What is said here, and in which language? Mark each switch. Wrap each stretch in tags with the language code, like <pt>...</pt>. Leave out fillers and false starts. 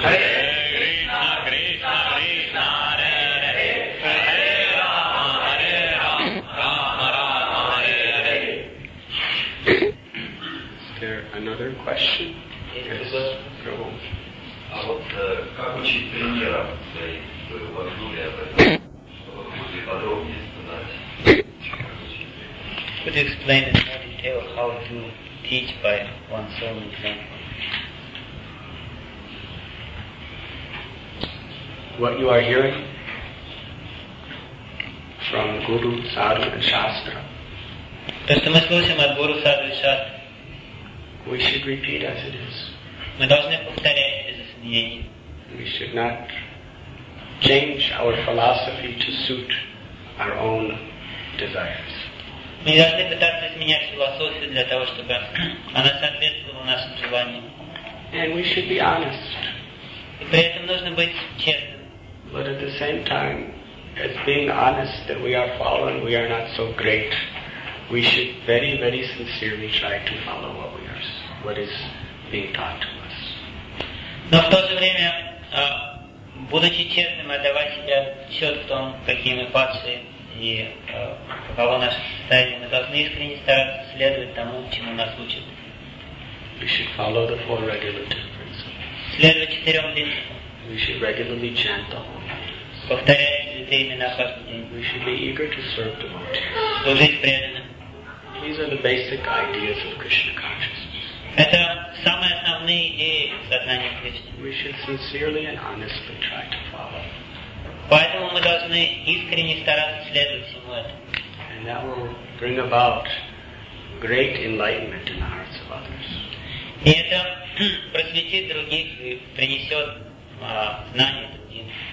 <sa>Hare Krishna, Krishna Krishna, Hare Hare, Hare Rama, Hare Rama, Rama Rama, Hare Hare.</sa> <en>Is there another question? Yes, go on.</en> <ru>А вот как учить примера, вы подробнее сказать.</ru> <en>Could you explain in more detail how to teach by one's own example? What you are hearing from Guru, Sadhu, and Shastra.</en> <ru>То, что мы слушаем от Гуру, Садху и Шастры.</ru> <en>We should repeat as it is.</en> <ru>Мы должны повторять без изменений.</ru> <en>We should not change our philosophy to suit our own desires.</en> <ru>Мы не должны пытаться изменять философию для того, чтобы она соответствовала нашим желаниям.</ru> <en>And we should be honest.</en> <ru>И при этом нужно быть честным.</ru> <en>But at the same time, as being honest that we are fallen, we are not so great, we should very, very sincerely try to follow what we are, what is being taught to us.</en> <ru>Но в то же время, будучи честным, отдавать себя отчет в том, какие мы падшие, и каково наше состояние, мы должны искренне стараться следовать тому, чему нас учат.</ru> <en>We should follow the four regulative principles.</en> <ru>Следовать четырем принципам.</ru> <en>We should regularly chant the holy names.</en> <ru>Повторять святые имена каждый день.</ru> <en>We should be eager to serve the devotees.</en> <ru>Служить преданно.</ru> <en>These are the basic ideas of Krishna consciousness.</en> <ru>Это самые основные идеи сознания Кришны.</ru> <en>We should sincerely and honestly try to follow.</en> <ru>Поэтому мы должны искренне стараться следовать всему этому.</ru> <en>And that will bring about great enlightenment in the hearts of others.</en> <ru>И это просветит других и принесет знания другим.</ru>